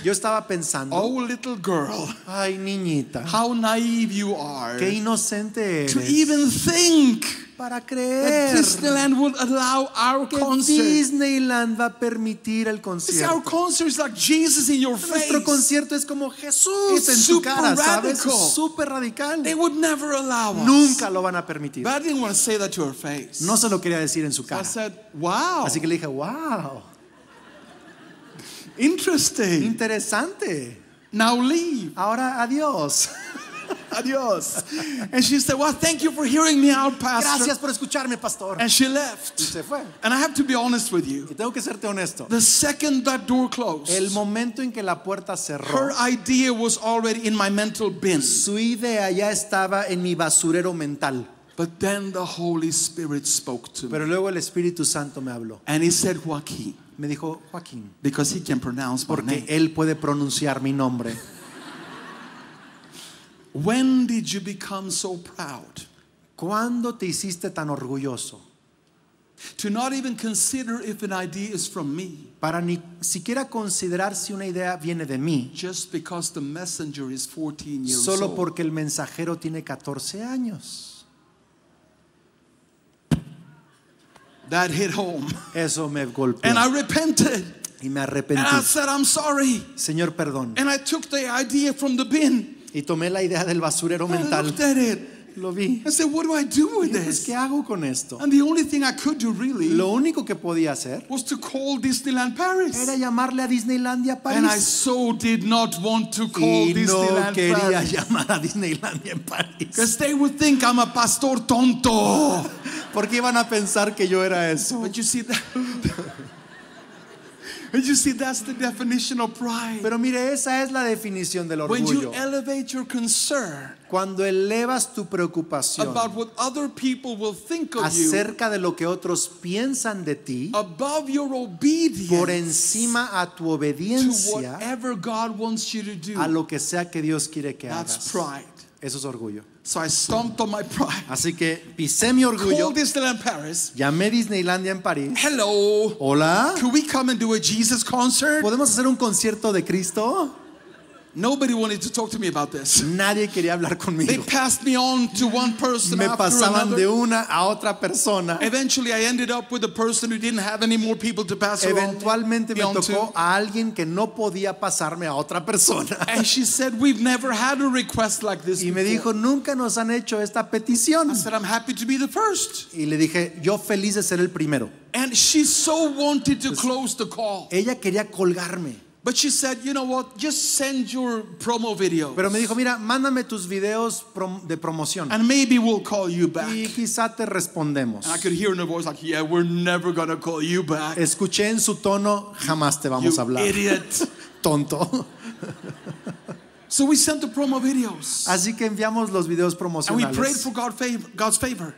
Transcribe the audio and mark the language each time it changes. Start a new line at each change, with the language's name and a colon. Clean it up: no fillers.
Spanish: yo estaba pensando,
English: oh little girl,
Spanish: ay niñita,
English: how naive you are,
Spanish: qué inocente eres,
English: to even think.
Spanish: Para creer
English: that Disneyland would allow our
Spanish: que
English: concert.
Spanish: Disneyland va a permitir el concierto.
English: See, our concert is like Jesus in your face.
Spanish: Nuestro concierto es como Jesús en tu cara, ¿sabes? Es super radical.
English: They would never allow us.
Spanish: Nunca lo van a permitir.
English: But I didn't want to say that to her face.
Spanish: No se lo quería decir en su cara.
English: So I said, wow.
Spanish: Así que le dije, wow.
English: Interesting.
Spanish: Interesante.
English: Now leave.
Spanish: Ahora adiós. Adios.
English: And she said, well, thank you for hearing me out, Pastor.
Spanish: Gracias por escucharme, Pastor.
English: And she left.
Spanish: Y se fue.
English: And I have to be honest with you.
Spanish: Y tengo que serte honesto.
English: The second that door closed,
Spanish: el momento en que la puerta cerró,
English: her idea was already in my mental bin.
Spanish: Su idea ya estaba en mi basurero mental.
English: But then the Holy Spirit spoke to me.
Spanish: Pero luego el Espíritu Santo me habló.
English: And he said, Joaquín.
Spanish: Me dijo, Joaquín.
English: Because he can pronounce my
Spanish: porque
English: name.
Spanish: Porque él puede pronunciar mi nombre.
English: When did you become so proud?
Spanish: ¿Cuándo te hiciste tan orgulloso?
English: To not even consider if an idea is from me.
Spanish: Para ni siquiera considerar si una idea viene de mí.
English: Just because the messenger is 14 years old.
Spanish: Solo porque el mensajero tiene 14 años.
English: That hit home.
Spanish: Eso me golpeó.
English: And I repented.
Spanish: Y me arrepentí.
English: And I said, I'm sorry.
Spanish: Señor, perdón.
English: And I took the idea from the bin.
Spanish: Y tomé la idea del basurero mental.
English: I looked at it.
Spanish: Lo vi.
English: I said, what do I do with this?
Spanish: Pues, ¿qué hago con esto?
English: And the only thing I could do really,
Spanish: lo único que podía hacer,
English: was to call Disneyland Paris.
Spanish: Era llamarle a Disneylandia París.
English: And I so did not want to call
Spanish: y
English: Disneyland
Spanish: no quería
English: Paris.
Spanish: Llamar a Disneylandia en París.
English: Because they would think I'm a pastor
Spanish: tonto. Porque iban a pensar que yo era eso.
English: But you see that. And you see, that's the definition of pride.
Spanish: Pero mire, esa es la definición del orgullo.
English: When you elevate your concern,
Spanish: cuando elevas tu preocupación,
English: about what other people will think of
Spanish: acerca
English: you,
Spanish: de lo que otros piensan de ti,
English: above your obedience,
Spanish: por encima a tu obediencia,
English: to whatever God wants you to do,
Spanish: a lo que sea que Dios quiere que
English: that's
Spanish: hagas,
English: that's pride.
Spanish: Eso es orgullo.
English: So I stomped on my pride.
Spanish: Así que pisé mi orgullo.
English: Called Disneyland Paris.
Spanish: Llamé Disneylandia en París.
English: Hello.
Spanish: Hola.
English: Can we come and do a Jesus concert?
Spanish: ¿Podemos hacer un concierto de Cristo?
English: Nobody wanted to talk to me about this.
Spanish: Nadie quería hablar conmigo.
English: They passed me on to one person
Spanish: me
English: after
Spanish: pasaban
English: another.
Spanish: De una a otra persona.
English: Eventually I ended up with a person who didn't have any more people to pass around.
Spanish: Eventualmente me tocó a alguien que no podía pasarme a otra persona.
English: And she said, we've never had a request like this
Spanish: y
English: before.
Spanish: Me dijo, nunca nos han hecho esta petición.
English: I said, I'm happy to be the first.
Spanish: Y le dije, yo feliz de ser el primero.
English: And she so wanted to
Spanish: pues,
English: close the call.
Spanish: Ella quería colgarme.
English: But she said, you know what? Just send your promo video.
Spanish: Pero me dijo, mira, mándame tus videos de promoción.
English: And maybe we'll call you back.
Spanish: Y quizá te respondemos.
English: And I could hear in her voice like, yeah, we're never going to call you back.
Spanish: Escuché en su tono, jamás te vamos
English: you
Spanish: a hablar.
English: Idiot.
Spanish: Tonto.
English: So we sent the promo videos.
Spanish: Así que enviamos los videos promocionales.
English: And we prayed for God's favor.